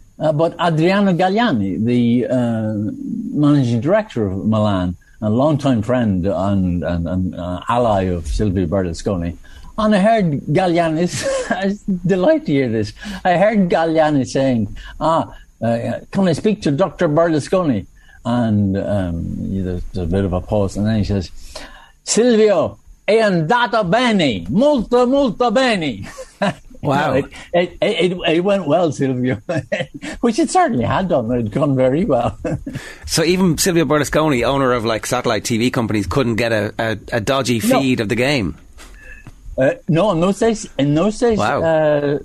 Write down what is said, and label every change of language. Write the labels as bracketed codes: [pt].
[en] But Adriano Galliani, the managing director of Milan, a longtime friend and ally of Silvio Berlusconi. And I heard Galliani, delighted to hear this, I heard Galliani saying, can I speak to Dr. Berlusconi? And there's a bit of a pause, and then he says, Silvio, [it] è andata bene, molto, molto bene. [en] Wow. No, it went well, Silvio, which it certainly had done. It had gone very well. So even Silvio Berlusconi, owner of like satellite TV companies, couldn't get a dodgy feed of the game? No, in those days, wow.